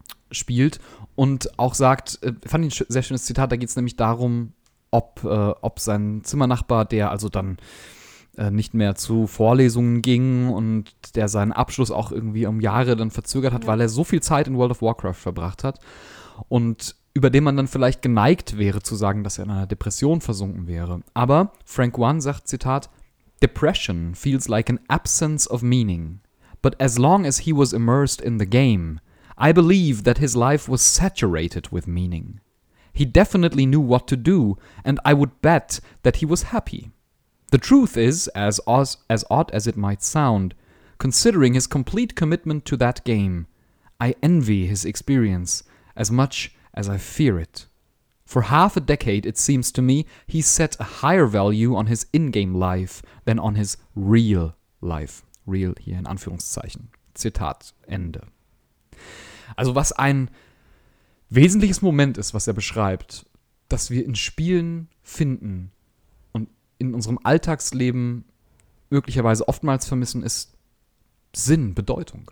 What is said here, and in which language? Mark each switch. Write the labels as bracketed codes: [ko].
[de] spielt und auch sagt, fand ich ein sehr schönes Zitat, da geht es nämlich darum, ob sein Zimmernachbar, der also dann nicht mehr zu Vorlesungen ging und der seinen Abschluss auch irgendwie um Jahre dann verzögert hat, weil er so viel Zeit in World of Warcraft verbracht hat und über den man dann vielleicht geneigt wäre zu sagen, dass er in einer Depression versunken wäre. Aber Frank One sagt, Zitat, [en] Depression feels like an absence of meaning, but as long as he was immersed in the game, I believe that his life was saturated with meaning. He definitely knew what to do, and I would bet that he was happy. The truth is, as odd as it might sound, considering his complete commitment to that game, I envy his experience as much as I fear it. For half a decade, it seems to me, he set a higher value on his in-game life than on his real life. [de] Real hier in Anführungszeichen. Zitat Ende. Also was ein wesentliches Moment ist, was er beschreibt, dass wir in Spielen finden und in unserem Alltagsleben möglicherweise oftmals vermissen, ist Sinn, Bedeutung.